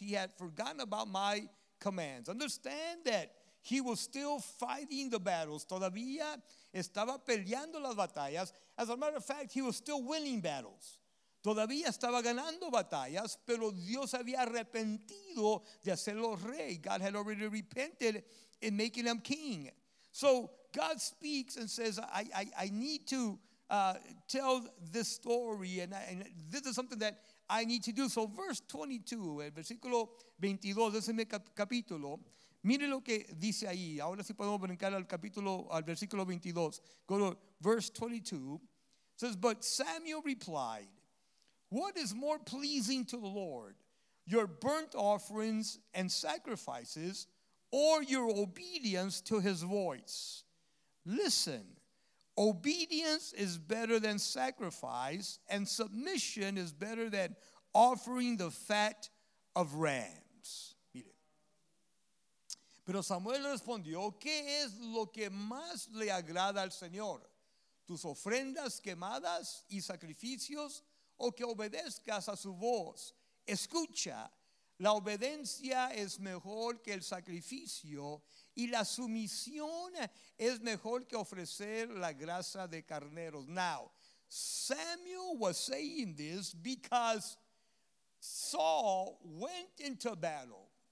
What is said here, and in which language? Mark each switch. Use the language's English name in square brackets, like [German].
[English] He had forgotten about my commands. Understand that. He was still fighting the battles. [Spanish] Todavía estaba peleando las batallas. [English] As a matter of fact, he was still winning battles. [Spanish] Todavía estaba ganando batallas, pero Dios había arrepentido de hacerlo rey. [English] God had already repented in making him king. So God speaks and says, I need to tell this story, and this is something that I need to do. So verse 22, [Spanish] el versículo 22, décimo capítulo, mire lo que dice ahí. Ahora sí podemos brincar al capítulo, al versículo 22. [English] Go to verse 22. It says, but Samuel replied, what is more pleasing to the Lord, your burnt offerings and sacrifices, or your obedience to his voice? Listen, obedience is better than sacrifice, and submission is better than offering the fat of rams. [Spanish] Pero Samuel respondió, ¿qué es lo que más le agrada al Señor? ¿Tus ofrendas quemadas y sacrificios o que obedezcas a su voz? Escucha, la obediencia es mejor que el sacrificio y la sumisión es mejor que ofrecer la grasa de carneros. [English] Now, Samuel was saying this because Saul went into battle.